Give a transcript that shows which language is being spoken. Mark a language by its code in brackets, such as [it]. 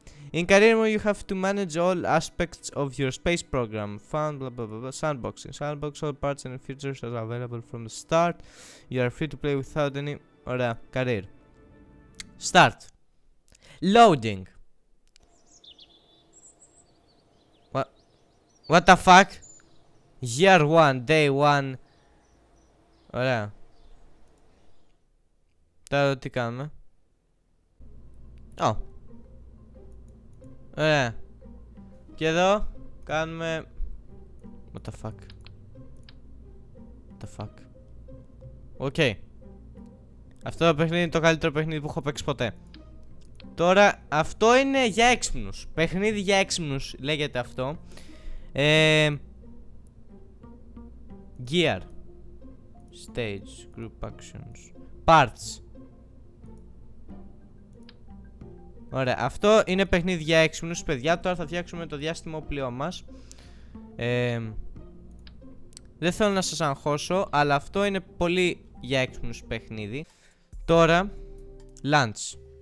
[en] In career mode you have to manage all aspects of your space program. Fun, blah, blah, blah, blah. Sandboxing. Sandbox all parts and features are available from the start. You are free to play without any. [el] Ωραία, career. [en] Start. Loading. What the fuck? Year 1, day 1. [el] Ωραία. Τώρα εδώ τι κάνουμε. Oh. Ωραία. Και εδώ κάνουμε. [en] What the fuck. What the fuck. Οκ. [el] Αυτό το παιχνίδι είναι το καλύτερο παιχνίδι που έχω παίξει ποτέ. Τώρα αυτό είναι για έξυπνους. Παιχνίδι για έξυπνους λέγεται αυτό. [en] Gear. Stage, group actions, parts. [el] Ωραία, αυτό είναι παιχνίδι για έξυπνους, παιδιά. Τώρα θα φτιάξουμε το διάστημα όπλιο μας. Δεν θέλω να σας αγχώσω, αλλά αυτό είναι πολύ για έξυπνους παιχνίδι. Τώρα, lunch.